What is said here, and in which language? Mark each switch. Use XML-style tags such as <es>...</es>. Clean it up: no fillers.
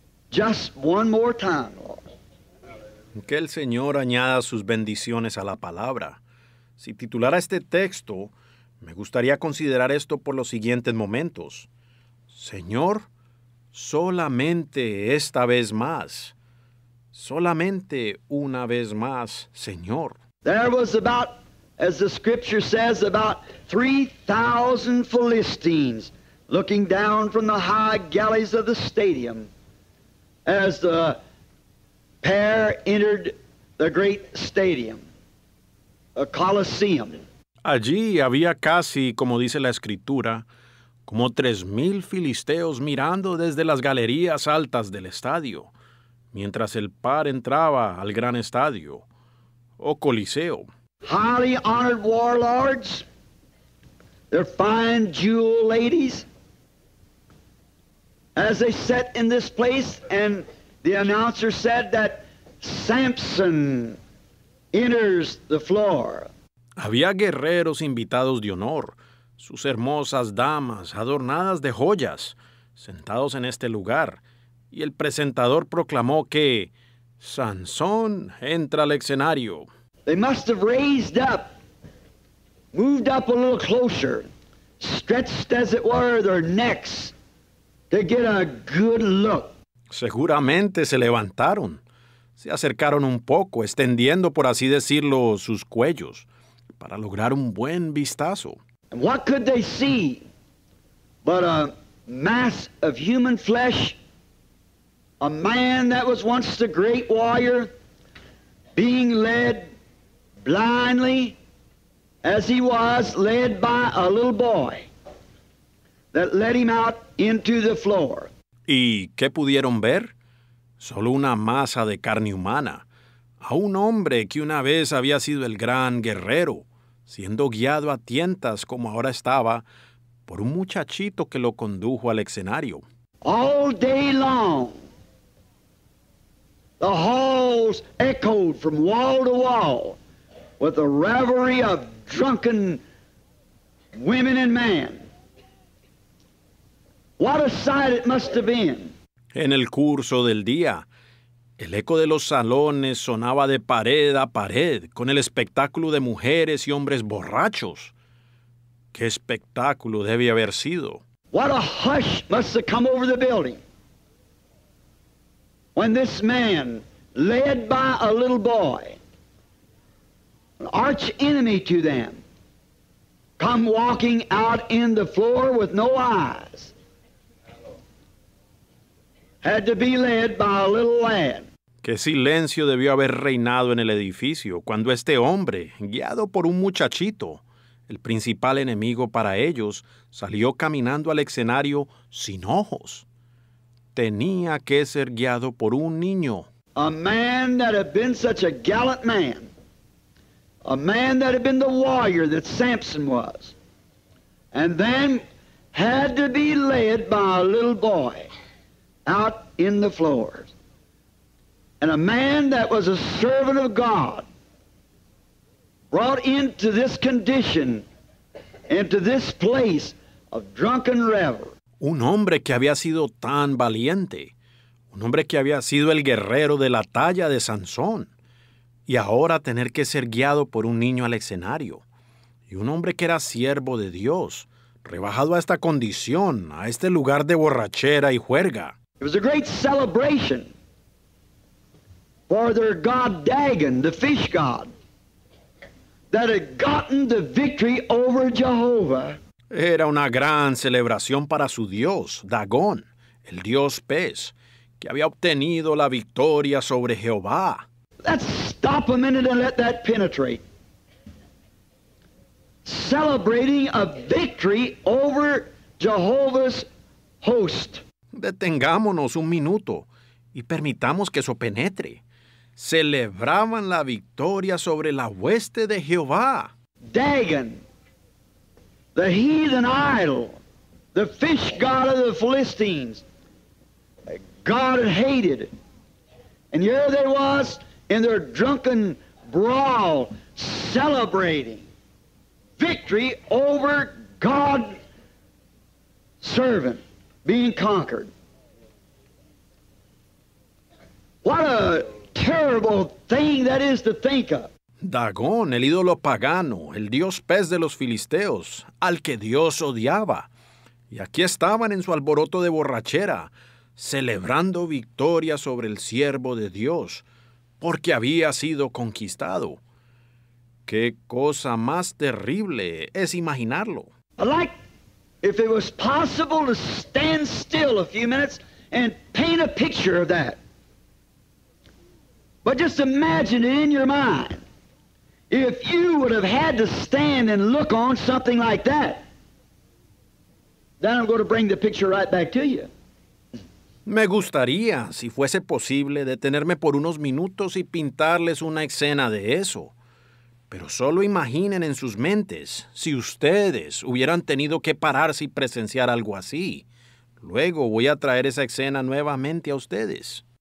<en>Just one more time, Lord.</en> <es>Que el Señor añada sus bendiciones a la palabra. Si titulara este texto, me gustaría considerar esto por los siguientes momentos. Señor, solamente esta vez más. Solamente una vez más, Señor.</es> <en>There was about, as the scripture says, about 3,000 Philistines looking down from the high galleries of the stadium as the pair entered the great stadium, a Colosseum.</en> <es>Allí había casi, como dice la escritura, como 3,000 filisteos mirando desde las galerías altas del estadio, mientras el par entraba al gran estadio, o Coliseo.</es> <en>Highly honored warlords, their fine jewel ladies, as they sat in this place, and the announcer said that Samson enters the floor.</en> <es>Había guerreros invitados de honor, sus hermosas damas adornadas de joyas, sentados en este lugar, y el presentador proclamó que Sansón entra al escenario.</es> <en>They must have raised up, moved up a little closer, stretched as it were their necks to get a good look.</en> <es>Seguramente se levantaron, se acercaron un poco, extendiendo, por así decirlo, sus cuellos, para lograr un buen vistazo.</es> <en>And what could they see but a mass of human flesh, a man that was once the great warrior, being led blindly, as he was led by a little boy that led him out into the floor.</en> <es>¿Y qué pudieron ver? Solo una masa de carne humana, a un hombre que una vez había sido el gran guerrero, siendo guiado a tientas como ahora estaba por un muchachito que lo condujo al escenario.</es> <en>All day long, the halls echoed from wall to wall with the revelry of drunken women and men. What a sight it must have been.</en> <es>En el curso del día, el eco de los salones sonaba de pared a pared con el espectáculo de mujeres y hombres borrachos. ¡Qué espectáculo debe haber sido!</es> <en>What a hush must have come over the building when this man, led by a little boy, an arch enemy to them, come walking out in the floor with no eyes, had to be led by a little lad.</en> <es>¿Qué silencio debió haber reinado en el edificio cuando este hombre, guiado por un muchachito, el principal enemigo para ellos, salió caminando al escenario sin ojos? Tenía que ser guiado por un niño.</es> <en>A man that had been such a gallant man, a man that had been the warrior that Samson was, and then had to be led by a little boy out in the floors. And a man that was a servant of God, brought into this condition, into this place of drunken revel.</en> <es>Un hombre que había sido tan valiente, un hombre que había sido el guerrero de la talla de Sansón, y ahora tener que ser guiado por un niño al escenario, y un hombre que era siervo de Dios, rebajado a esta condición, a este lugar de borrachera y juerga.</es> <en>It was a great celebration for their god Dagon, the fish god, that had gotten the victory over Jehovah.</en> <es>Era una gran celebración para su dios, Dagón, el dios pez, que había obtenido la victoria sobre Jehová.</es> <en>Let's stop a minute and let that penetrate. Celebrating a victory over Jehovah's host.</en> <es>Detengámonos un minuto y permitamos que eso penetre. Celebraban la victoria sobre la hueste de Jehová.</es> <en>Dagon, the heathen idol, the fish god of the Philistines, God had hated. And here they was in their drunken brawl, celebrating victory over God's servant being conquered. What a terrible thing that is to think of.</en> <es>Dagón, el ídolo pagano, el dios pez de los filisteos, al que Dios odiaba. Y aquí estaban en su alboroto de borrachera, celebrando victoria sobre el siervo de Dios, porque había sido conquistado. ¡Qué cosa más terrible es imaginarlo!</es> <en>Like if it was possible to stand still a few minutes and paint a picture of that. But just imagine it in your mind. If you would have had to stand and look on something like that, then I'm going to bring the picture right back to you.</en> <es>Me gustaría, si fuese posible, detenerme por unos minutos y pintarles una escena de eso. Pero solo imaginen en sus mentes, si ustedes hubieran tenido que pararse y presenciar algo así. Luego voy a traer esa escena nuevamente a ustedes.</es>